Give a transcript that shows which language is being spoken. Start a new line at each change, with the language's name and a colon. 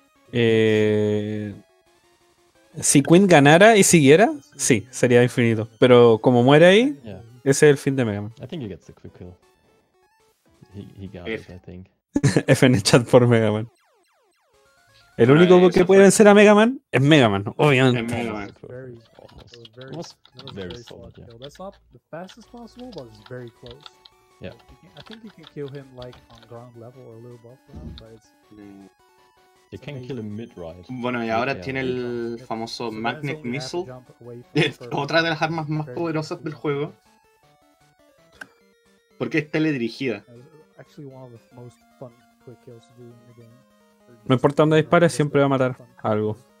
Spanish: Si Quint ganara y siguiera, sí, sería infinito. Pero como muere ahí, ese es el fin de Mega Man.
English: I think he gets the quick kill. He got F. It, I think.
Spanish: F en el chat por Mega Man. El único que puede vencer a Mega Man es Mega Man, obviamente. Es Mega Man.
English: That's not the fastest possible, but it's very close. Yeah. I think you can kill him like on ground level or a little above ground, but it's. You can kill him mid-ride.
Spanish: Bueno, y ahora tiene el famoso Magnet Missile. Otra de las armas más poderosas del juego. Porque es teledirigida.
English: Actually, one of the most fun quick kills to do in the game.
Spanish: No importa dónde dispare, siempre va a matar algo.